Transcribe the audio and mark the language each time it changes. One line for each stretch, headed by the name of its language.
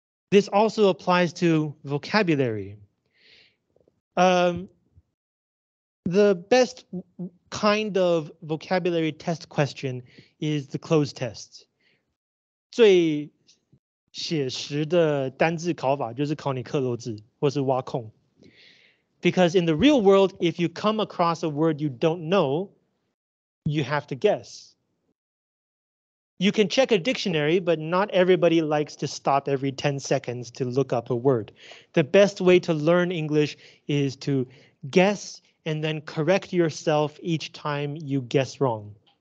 English: This also applies to vocabulary. The best kind of vocabulary test question is the closed test.
Chinese: 最写实的单字考法就是考你克漏字或是挖空.
English: Because in the real world, if you come across a word you don't know, you have to guess. You can check a dictionary, but not everybody likes to stop every 10 seconds to look up a word. The best way to learn English is to guess and then correct yourself each time you guess wrong.